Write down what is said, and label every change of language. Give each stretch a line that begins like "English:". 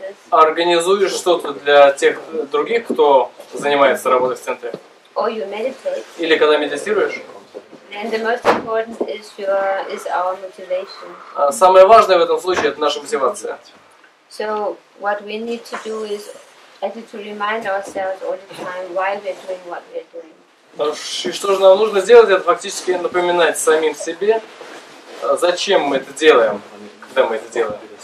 Russian: организуешь что-то для тех других, кто занимается работой в центре, или когда медитируешь,
English: And the most important is your is our motivation.
Russian: Самое важное в этом случае это наша мотивация.
English: So what we need to do is actually to remind ourselves all the time why we're doing what we're doing.
Russian: И что же нам нужно сделать, это фактически напоминать самим себе, зачем мы это делаем, когда мы это делаем.